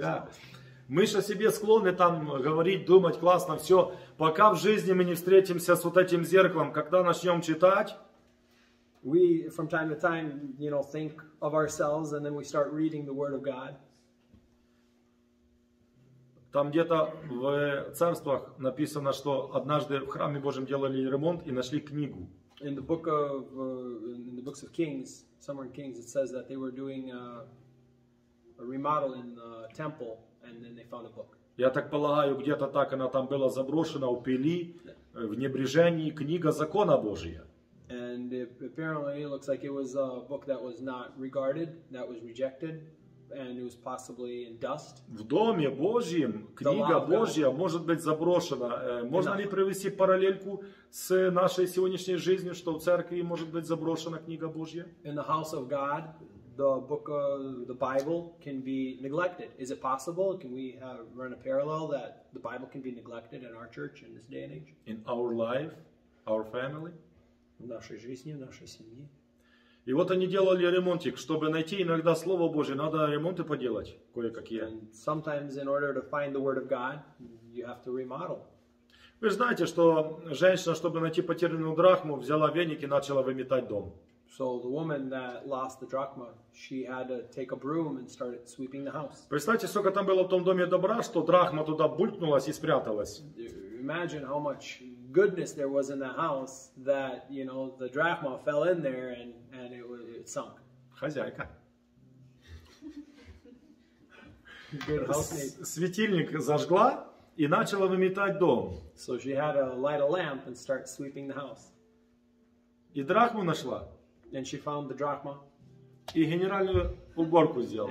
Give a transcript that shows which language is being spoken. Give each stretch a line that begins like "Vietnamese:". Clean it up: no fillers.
Russian: Да. Мы же о себе склонны там говорить, думать, классно, все. Пока в жизни мы не встретимся с вот этим зеркалом, когда начнем читать,
English: we, from time to time, you know, think of ourselves, and then we start reading the Word of God.
Russian: Там где-то в царствах написано, что однажды в храме Божьем делали ремонт и нашли книгу.
English: In the book of, in the books of Kings, somewhere in Kings, it says that they were doing a remodel in the temple, and then they found a book.
Russian: Я так полагаю, где-то так она там была заброшена, упили, в небрежении книга закона Божия.
English: And it, apparently it looks like it was a book that was not regarded, that was rejected, and it was possibly in dust.
Russian: В доме Божьем книга Божья может быть заброшена. Можно ли привести параллельку с нашей сегодняшней жизнью, что в церкви может быть заброшена книга Божья?
English: In the house of God, the book of the Bible can be neglected. Is it possible? Can we run a parallel that the Bible can be neglected in our church in this day and age? In our life, our family?
Russian: В нашей жизни, в нашей семье. И вот они делали ремонтик, чтобы найти иногда Слово Божие, надо ремонты поделать кое-какие.
English: And sometimes in order to find the Word of God, you have to remodel.
Russian: Вы знаете, что женщина, чтобы найти потерянную драхму, взяла веник и начала выметать дом.
English: So the woman that lost the drachma, she had to take a broom and started sweeping the house.
Russian: Представьте, сколько там было в том доме добра, что драхма туда булькнулась и спряталась.
English: Imagine how much goodness there was in the house that, you know, the drachma fell in there and it sunk.
Russian: Хозяйка.
English: Good
Russian: Светильник зажгла и начала выметать дом.
English: So she had to light a lamp and start sweeping the house.
Russian: И драхму нашла.
English: And she found the drachma.
Russian: И генеральную уборку сделала.